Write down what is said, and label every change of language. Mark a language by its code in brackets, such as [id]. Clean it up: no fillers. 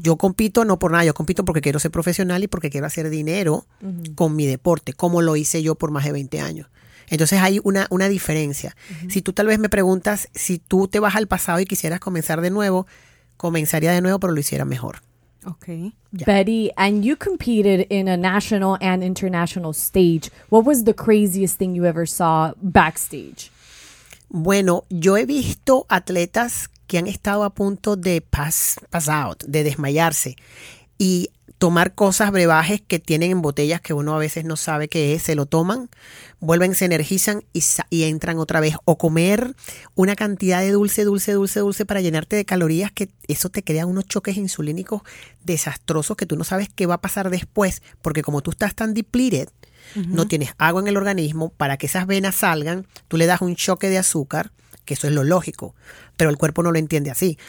[es] Yo compito no por nada, yo compito porque quiero ser profesional y porque quiero hacer dinero, uh-huh, con mi deporte, como lo hice yo por más de 20 años. Entonces hay una diferencia. Uh-huh. Si tú tal vez me preguntas, si tú te vas al pasado y quisieras comenzar de nuevo, comenzaría de nuevo, pero lo hiciera mejor. Okay. Yeah. [en] Betty, and you competed in a national and international stage. What was the craziest thing you ever saw backstage? [es] Bueno, yo he visto atletas que han estado a punto de [en] pass out, [es] de desmayarse, y tomar cosas, brebajes que tienen en botellas que uno a veces no sabe qué es, se lo toman, vuelven, se energizan y entran otra vez. O comer una cantidad de dulce para llenarte de calorías, que eso te crea unos choques insulínicos desastrosos que tú no sabes qué va a pasar después, porque como tú estás tan depleted, uh-huh, no tienes agua en el organismo, para que esas venas salgan, tú le das un choque de azúcar, que eso es lo lógico, pero el cuerpo no lo entiende así.